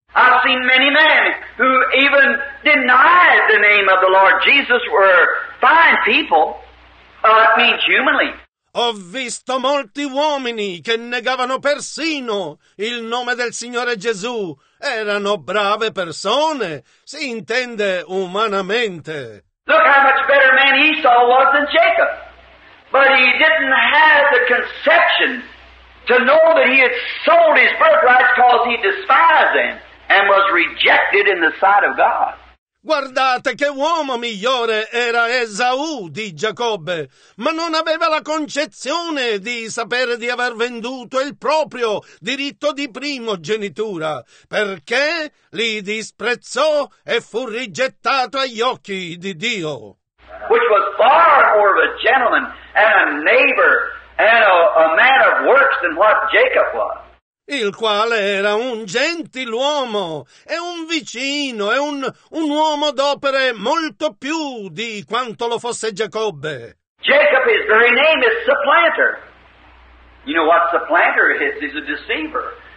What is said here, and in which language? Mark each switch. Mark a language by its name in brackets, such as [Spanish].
[English] I've seen many men who even denied the name of the Lord Jesus were fine people, that means humanly. [Italian] Ho visto molti uomini che negavano persino il nome del Signore Gesù. Erano brave persone, si intende umanamente. [English] Look how much better man Esau was than Jacob. But he didn't have the conception to know that he had sold his birthright because he despised them and was rejected in the sight of God. [Italian] Guardate che uomo migliore era Esaù di Giacobbe, ma non aveva la concezione di sapere di aver venduto il proprio diritto di primogenitura, perché li disprezzò e fu rigettato agli occhi di Dio. [English] Which was far more of a gentleman and a neighbor and a man of works than what Jacob was. [Italian] Il quale era un gentiluomo e un vicino e un uomo d'opere molto più di quanto lo fosse Giacobbe. [English] Jacob, his very name is supplanter. You know what supplanter is? He's a deceiver.